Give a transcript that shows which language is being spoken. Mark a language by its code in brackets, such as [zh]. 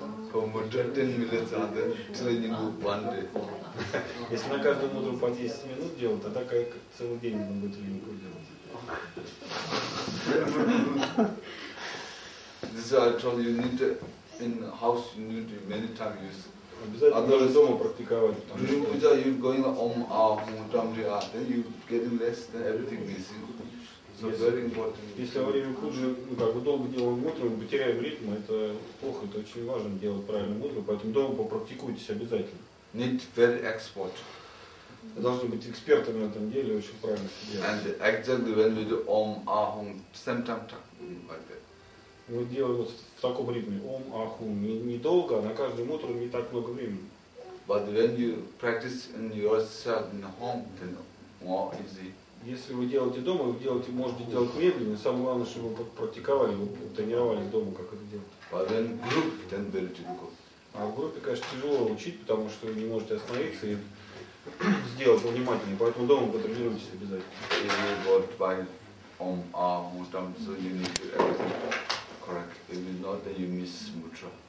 [en] For mudra 10 minutes and then training one day. [ru] Если на каждую мудру по 10 минут делать, тогда как целый день он будет тренингу делать. [en] This I told you need to, in house you need to many times use. [ru] Обязательно нужно дома практиковать. [en] During puja you going om ahum tamriya, then you getting less, then everything is easy. So very important. [ru] Если во время пуджи мы как бы долго делаем мудру, мы потеряем ритм, это плохо, это очень важно делать правильную мудру, поэтому дома попрактикуйтесь обязательно. [en] Need very expert. [ru] Вы должны быть экспертами в этом деле, очень правильно все делать. [en] And exactly when we do om ahum, same time like that. [ru] Мы делаем вот в таком ритме om ahum, не долго, а на каждую мудру не так много времени. [en] But when you practice in yourself in the home, then more easy. [ru] Если вы делаете дома, вы делаете, можете делать медленно, но самое главное, чтобы вы практиковали, вы тренировались дома, как это делать. А в группе, конечно, тяжело учить, потому что вы не можете остановиться и сделать внимательнее, поэтому дома потренируйтесь обязательно.